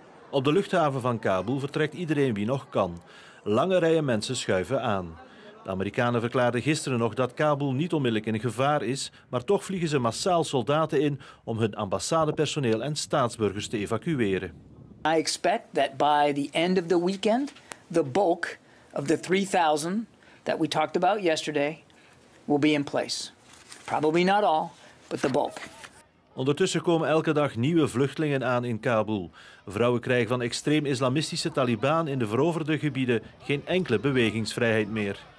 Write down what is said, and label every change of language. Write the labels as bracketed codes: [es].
[nl] Op de luchthaven van Kabul vertrekt iedereen wie nog kan. Lange rijen mensen schuiven aan. De Amerikanen verklaarden gisteren nog dat Kabul niet onmiddellijk in gevaar is, maar toch vliegen ze massaal soldaten in om hun ambassadepersoneel en staatsburgers te evacueren. [en] I expect that by the end of the weekend, the bulk of the 3,000 that we talked about yesterday will be in place. Probably not all, but the bulk. [nl] Ondertussen komen elke dag nieuwe vluchtelingen aan in Kabul. Vrouwen krijgen van extreem-islamistische Taliban in de veroverde gebieden geen enkele bewegingsvrijheid meer.